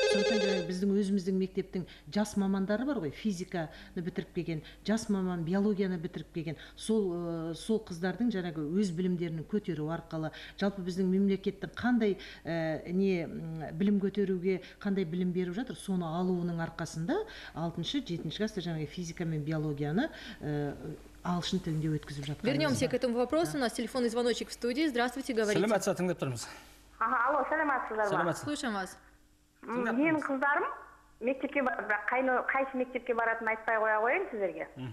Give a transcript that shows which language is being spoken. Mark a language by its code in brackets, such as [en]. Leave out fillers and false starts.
[kk] Сондықтан біздің өзіміздің мектептің жас мамандары бар ғой, физиканы бітіріп келген, жас маман биологияны бітіріп келген, сол қыздардың жаңағы өз білімдерін көтеру арқылы, жалпы біздің мемлекеттің қандай не білім көтеруге қандай білім беріп жатыр, соны алуының арқасында 6-шы, 7-шы класта жаңағы физика мен биологияны ағылшын тілінде өткізіп жатқан. [ru] Вернемся к этому вопросу, у нас телефонный звоночек в студии, здравствуйте, говорите. [kk] Саламатсыз ба, тыңдап тұрмыз. Аха, алло, саламатсыз ба. Саламатсыз. [ru] Слушаем вас. [kk] Менің қыздарым мектепке барады, бірақ қайсы мектепке баратынын айтпай қоя қояйын сіздерге.